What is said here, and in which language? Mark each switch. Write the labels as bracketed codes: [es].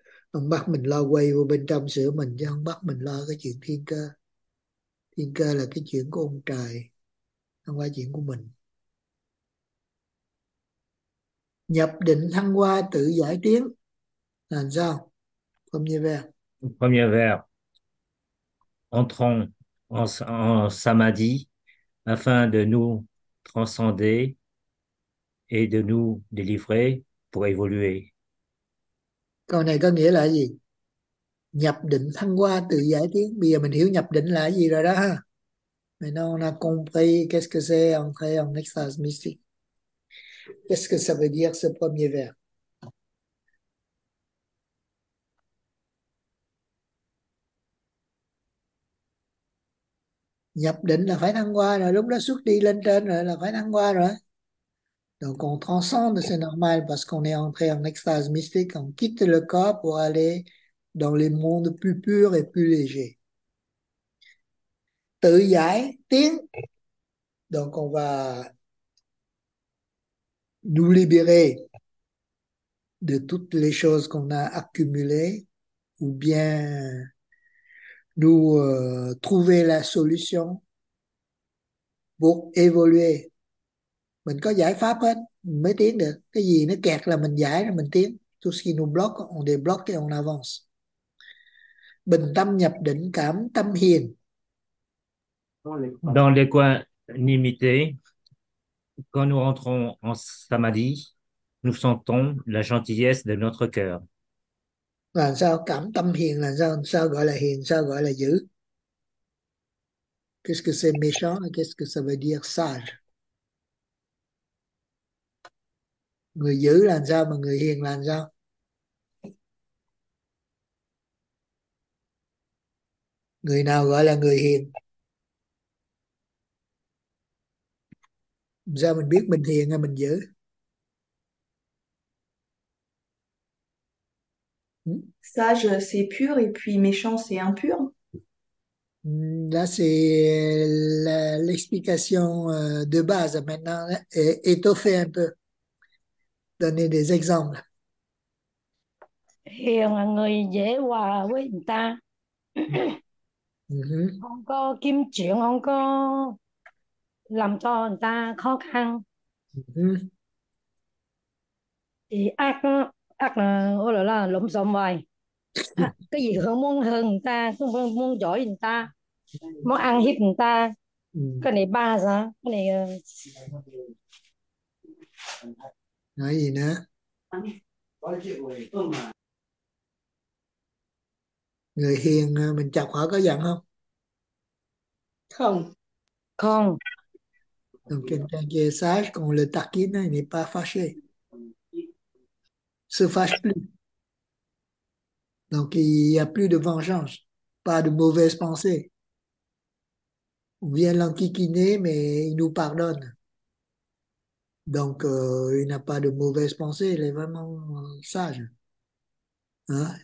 [vi] Ông bắt mình lo quay vô bên trong sửa mình chứ không bắt mình lo cái chuyện thiên cơ. Thiên cơ là cái chuyện của ông trời, không phải chuyện của mình. Nhập định thăng hoa tự giải tiến. Làm sao? Không như vậy. [fr] Premier vers, entrons en samadhi afin de nous transcender et de nous délivrer pour évoluer. [vi] Câu này có nghĩa là gì? Nhập định thăng hoa tự giải tiến. Bây giờ mình hiểu nhập định là gì rồi đó ha. [fr] Mais non, on a compris qu'est-ce que c'est en fait en extase mystique. Qu'est-ce que ça veut dire ce premier vers? [vi] Nhập định là phải thăng hoa rồi, lúc đó xuất đi lên trên rồi là phải thăng hoa rồi. [fr] Donc on transcende, c'est normal parce qu'on est entré en extase mystique, on quitte le corps pour aller dans les mondes plus purs et plus légers. [vi] Tự giải tiến. [fr] Donc on va nous libérer de toutes les choses qu'on a accumulées ou bien nous trouver la solution pour évoluer. [vi] Mình có giải pháp hết mới tiến được. Cái gì nó kẹt là mình giải rồi mình tiến. [fr] Tout ce qui nous bloque, on débloque et on avance. [vi] Bình tâm nhập định, cảm tâm hiền. [fr] Dans l'équanimité, quand nous rentrons en samadhi, nous sentons la gentillesse de notre cœur. [vi] Là sao cảm tâm hiền, là sao sao gọi là hiền, sao gọi là dữ? [fr] Qu'est-ce que c'est méchant? Qu'est-ce que ça veut dire sage? [vi] Người dữ là sao mà người hiền là sao? Người nào gọi là người hiền? Sao mình biết mình hiền hay mình dữ? [fr] Sage, c'est pur, et puis méchant, c'est impur. Là c'est l'explication de base maintenant, étoffée un peu. Donner des exemples. [vi] Hiền là người dễ hòa với người ta, không có kiếm chuyện, không có làm cho người ta khó khăn. Thì ác đó, ác là ôi là lộn xộn rồi. À, cái gì không muốn hơn người ta, không muốn giỏi người ta, muốn ăn hiếp người ta, cái này ba sao, cái này Nói gì nữa? Có chuyện rồi. Ừ mà. Người hiền mình chọc họ có giận không? Không. Không. [fr] Donc quelqu'un qui est sage, quand le taquine, il n'est pas fâché. Se fâche plus. Donc il n'y a plus de vengeance, pas de mauvaise pensée. On vient l'enquiquiner, mais il nous pardonne. Donc, il n'a pas de mauvaise pensée, il est vraiment sage. Hein?